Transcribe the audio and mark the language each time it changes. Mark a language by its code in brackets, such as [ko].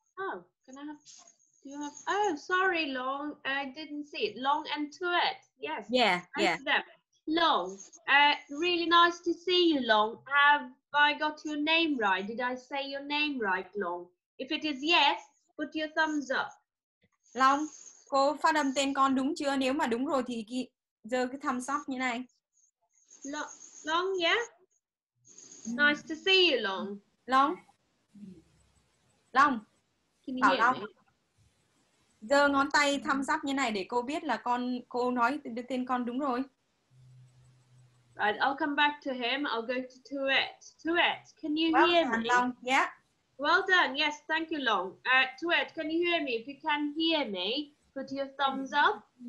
[en] Oh, can I have? Sorry, long. I didn't see it. Long and Tuet. Yes. Yeah. Nice yeah. Them. Long. Really nice to see you, Long. Have I got your name right? Did I say your name right, Long? If it is yes, put your thumbs up. Long. [vi] cô phát âm tên con đúng chưa? Nếu mà đúng rồi thì ghi, giờ cái thumbs up như này. [en] Long, yeah. Nice to see you, Long. Long. Long. Can you hear me? [vi] Giờ ngón tay thumbs up như này để cô biết là con, cô nói tên con đúng rồi. [en] Right, I'll come back to him. I'll go to Tuet, can you hear me? Long. Yeah. Well done, yes, thank you, Long. Tuet, can you hear me? If you can hear me, put your thumbs up.